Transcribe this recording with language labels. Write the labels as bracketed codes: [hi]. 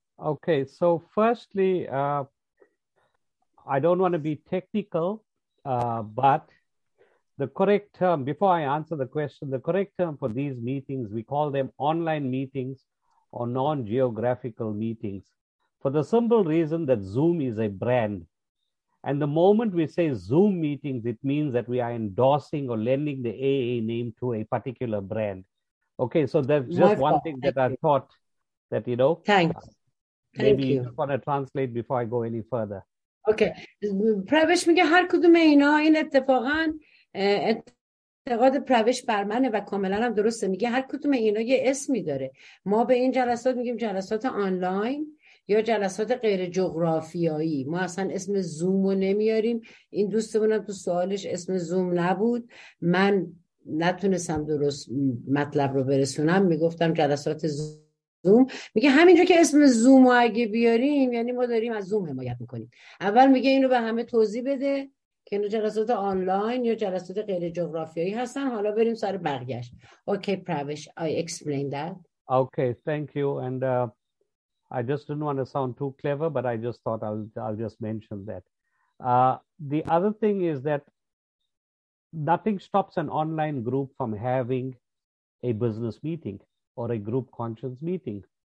[en] Okay, so firstly, I don't want to be technical, but the correct term, before I answer the question, the correct term for these meetings, we call them online meetings or non-geographical meetings, for the simple reason that Zoom is a brand. And the moment we say Zoom meetings, it means that we are endorsing or lending the AA name to a particular brand. Okay, so that's just one thing that I thought that, you know. Thanks. Maybe you just want to translate before I go any further. Okay. [fa] Pravesh میگه هر کدوم اینا این اتفاقا اعتقاد پروش بر منه و کاملا هم درسته. میگه هر کدوم اینا یه اسمی داره. ما به این جلسات میگیم جلسات آنلاین یا جلسات غیر جغرافیایی. ما اصلا اسم زوم رو نمیاریم. این دوستمونم تو سوالش اسم زوم نبود. من نتونستم درست مطلب رو برسونم. میگفتم جلسات زوم. میگه همینجا که اسم زوم رو اگه بیاریم یعنی ما داریم از زوم حمایت میکنیم. اول میگه این رو به همه توضیح بده که اینو جلسات آنلاین یا جلسات غیر جغرافیایی هستن. حالا بریم سر بقیه‌اش. [en] Okay, Pravesh, I explained that. Okay, thank you. And I just didn't want to sound too clever, but I just thought I'll just mention that. The other thing is that nothing stops an online group from having a business meeting or a group conscience meeting.